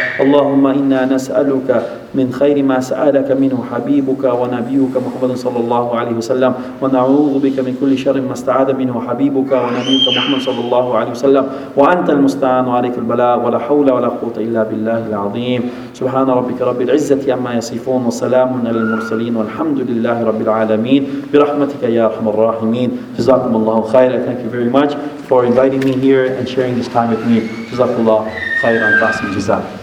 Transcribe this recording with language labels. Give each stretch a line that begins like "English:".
Arabic: Allahumma inna nas'aluka من خير ما سألك منه حبيبك ونبيك محمد صلى الله عليه وسلم ونعوذ بك من كل شر ما استعاذ منه حبيبك ونبيك محمد صلى الله عليه وسلم وأنت المستعان وعليك البلاء ولا حول ولا قوة إلا بالله العظيم سبحان ربك رب العزة عما يصفون وسلام على المرسلين والحمد لله رب العالمين برحمتك يا أرحم الراحمين جزاكم الله خيرا.
English: Thank you very much for inviting me here and sharing this time with me.
Arabic: جزاكم الله خيرا تحسن جزاء.